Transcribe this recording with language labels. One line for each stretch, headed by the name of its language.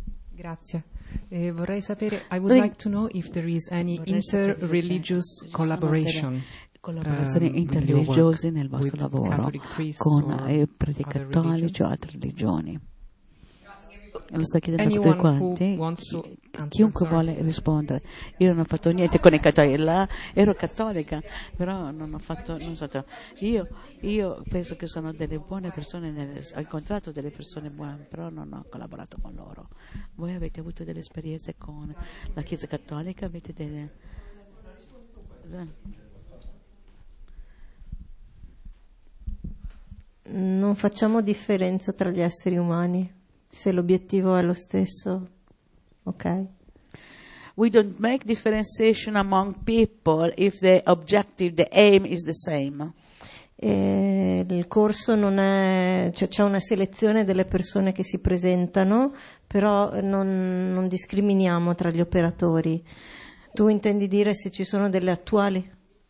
Italian: Grazie. Vorrei sapere,
English: I would like to know if there is any inter-religious collaboration.
Italian: Collaborazioni interreligiose nel vostro lavoro con i preti cattolici o altre religioni. Lo sta chiedendo anche tutti quanti. Chiunque vuole rispondere. Io non ho fatto niente con i cattolici. Ero cattolica, però non ho fatto. Io penso che sono delle buone persone, ho incontrato delle persone buone, però non ho collaborato con loro. Voi avete avuto delle esperienze con la Chiesa cattolica? Avete delle. Non facciamo differenza tra gli esseri umani se l'obiettivo è lo stesso, ok?
English: We don't make differentiation among people if the objective, the aim is the same.
Italian: E il corso non è, cioè c'è una selezione delle persone che si presentano, però non discriminiamo tra gli operatori. Tu intendi dire se ci sono delle attuali?